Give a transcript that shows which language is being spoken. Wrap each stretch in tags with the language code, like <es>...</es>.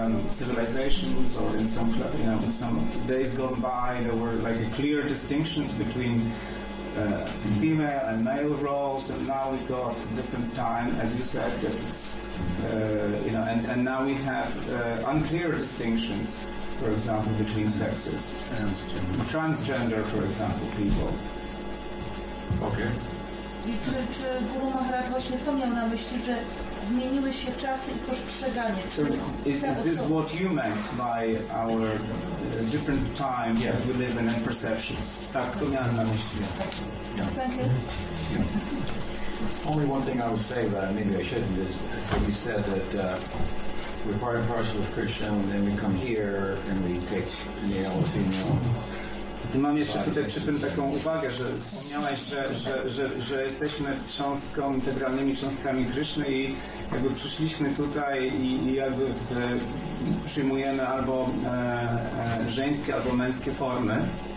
<en>Civilizations or in some, you know, in some days gone by, there were like a clear distinctions between female and male roles, and now we got different time, as you said, that it's you know, and now we have unclear distinctions, for example, between sexes, transgender, for example, people. Okay.</en> <pl>I czy Guru Maharaj właśnie to miał na myśli, że zmieniły się czasy i postrzeganie?</pl> <en>So, is this what you meant by our different times that we live in and perceptions?</en> <pl>Tak, to miałem na myśli.</pl> <en>Thank you. Only one thing I would say, but maybe I shouldn't, is that you said that we're part and parcel of Krishna, and then we come here and we take male, female.</en> <pl>Ty mam jeszcze tutaj przy tym taką uwagę, że wspomniałeś, że jesteśmy cząstką, integralnymi cząstkami Kryszny i jakby przyszliśmy tutaj i jakby przyjmujemy albo żeńskie, albo męskie formy.</pl>